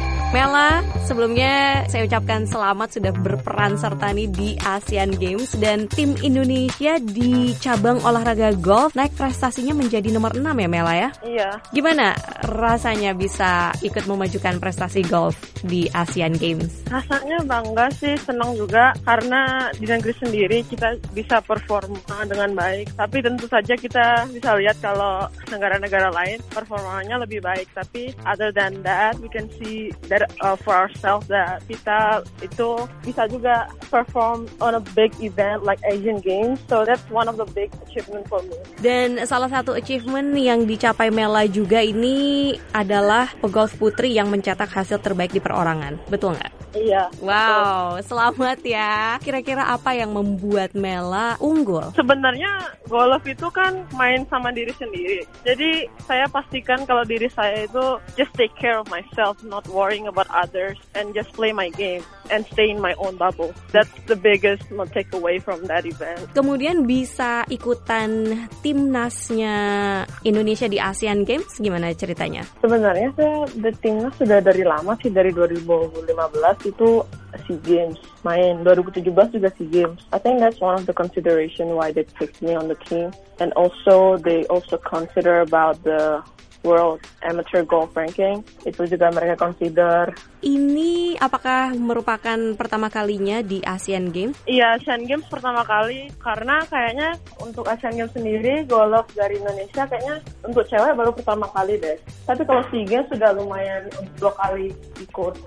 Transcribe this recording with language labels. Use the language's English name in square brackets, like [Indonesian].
[Indonesian] Mela, sebelumnya saya ucapkan selamat sudah berperan serta nih di Asian Games dan tim Indonesia di cabang olahraga golf naik prestasinya menjadi nomor 6 ya Mela ya? Iya. Gimana rasanya bisa ikut memajukan prestasi golf di Asian Games? Rasanya bangga sih, senang juga karena di negeri sendiri kita bisa performa dengan baik. Tapi tentu saja kita bisa lihat kalau negara-negara lain performanya lebih baik. Tapi [English] other than that, we can see that for ourselves that [Indonesian] kita itu bisa juga [English] perform on a big event like Asian Games. So that's one of the big achievement for me. [Indonesian] Dan salah satu achievement yang dicapai Mela juga ini adalah pegolf putri yang mencetak hasil terbaik di perorangan. Betul nggak? Iya. Wow, selamat ya. Kira-kira apa yang membuat Mela unggul? Sebenarnya golf itu kan main sama diri sendiri. Jadi saya pastikan kalau diri saya itu [English] just take care of myself, not worrying about others, and just play my game and stay in my own bubble. That's the biggest takeaway from that event. [Indonesian] Kemudian bisa ikutan timnasnya Indonesia di Asian Games, gimana ceritanya? Sebenarnya saya the timnas sudah dari lama sih, dari 2015. Itu SEA Games main, 2017 juga SEA Games. [English] I think that's one of the consideration why they picked me on the team, and also they also consider about the World Amateur Golf Ranking. [Indonesian] Itu juga mereka consider. Ini apakah merupakan pertama kalinya di Asian Games? Iya, Asian Games pertama kali. Karena kayaknya untuk Asian Games sendiri, golf dari Indonesia kayaknya untuk cewek baru pertama kali deh. Tapi kalau SEA Games sudah lumayan dua kali ikut.